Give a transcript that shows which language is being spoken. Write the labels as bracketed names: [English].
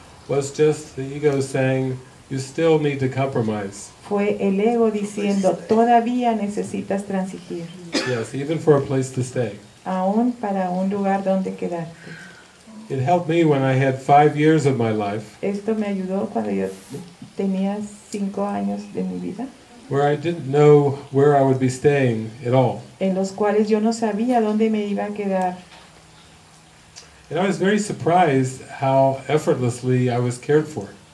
[English] Was just the ego saying, you still need to compromise. [Spanish] Fue el ego diciendo, todavía necesitas transigir. [English] Yes, even for a place to stay. [Spanish] Aún para un lugar donde quedarte. [English] It helped me when I had 5 years of my life. [Spanish] Esto me ayudó cuando yo tenía 5 años de mi vida. [English] Where I didn't know where I would be staying at all. [Spanish] En los cuales yo no sabía dónde me iba a quedar. [English] And I was very surprised how effortlessly I was cared for.